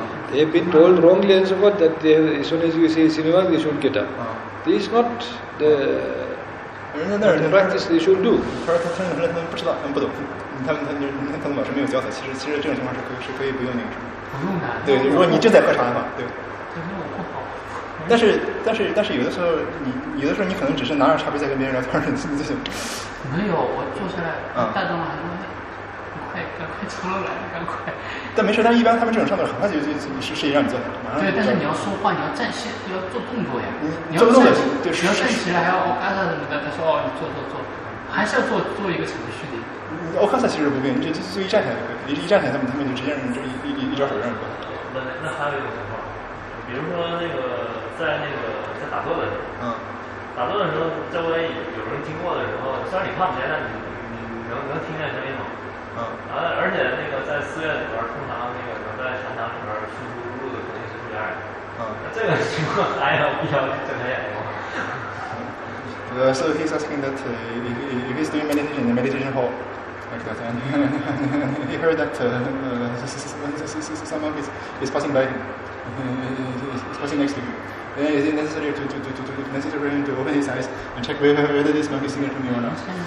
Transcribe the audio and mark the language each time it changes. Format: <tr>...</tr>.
<en>They have been told wrongly and so forth that as soon as you see a senior monk, they should get up. This is not the. No, practice they should do.</en> <zh>他说他们不知道，他们不懂，他们老师没有教他。其实这种情况是可以不用那个什么。不用的。对，如果你正在喝茶的话，对。那我不好。但是有的时候你可能只是拿着茶杯在跟别人聊天，你就行。没有，我坐下来，大众还说赶快出来，赶快。但没事，但一般他们这种上面很快就是谁让你坐下，马上。对，但是你要说话，你要站起，要做动作呀。你做动作，对，你要站起来，还要阿萨什么的。他说：“哦，你坐，还是要做一个程序的。” 阿萨其实是不变，就一站起来就可以，一站起来他们就直接就一招手让你过。那还有一种情况，比如说在打坐的时候，打坐的时候周围有人经过的时候，虽然你看不见，但你能听见声音吗？而且那个在寺院里边，通常那个能在禅堂里边舒舒服服的肯定是第二。那这个情况还有必要睁开眼睛吗？</zh> <en>So he's asking that if he's doing meditation in the meditation hall, like that, and he heard that someone is passing by him, he's passing next to him. Then is it necessary to open his eyes and check whether this monk is singing to me or not?</en>